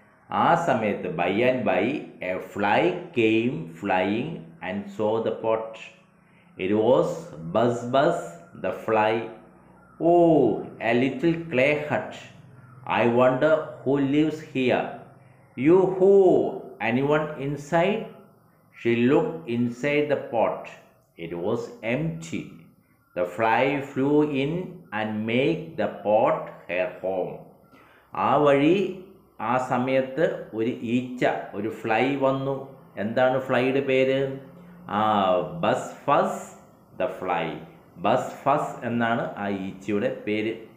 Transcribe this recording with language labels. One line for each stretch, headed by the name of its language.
Malayalam: ആ സമയത്ത്
English: By and by a fly came flying and saw the pot. It was buzz buzz the fly. Oh a little clay hut, I wonder who lives here. Yoohoo anyone inside? She looked inside the pot. It was empty. The fly flew in and made the pot her home.
Malayalam: ആ വഴി ആ സമയത്ത് ഒരു ഈച്ച ഒരു fly വന്നു. എന്താണ് ഫ്ലൈയുടെ പേര്? ബസ് ഫസ് ദ ഫ്ലൈ. ബസ് ഫസ് എന്നാണ് ആ ഈച്ചയുടെ പേര്.